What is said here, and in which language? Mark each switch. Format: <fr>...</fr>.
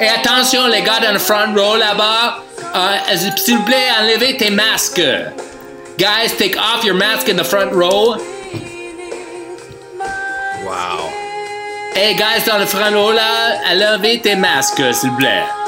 <fr>Et attention, les gars dans le</fr> <en>front row</en> <fr>là-bas, s'il vous plaît, enlevez tes masques.</fr> <en>Guys, take off your mask in the front row. Wow. Hey, guys,</en> <fr>dans le</fr> <en>front row</en> <fr>là, enlevez tes masques, s'il vous plaît.</fr>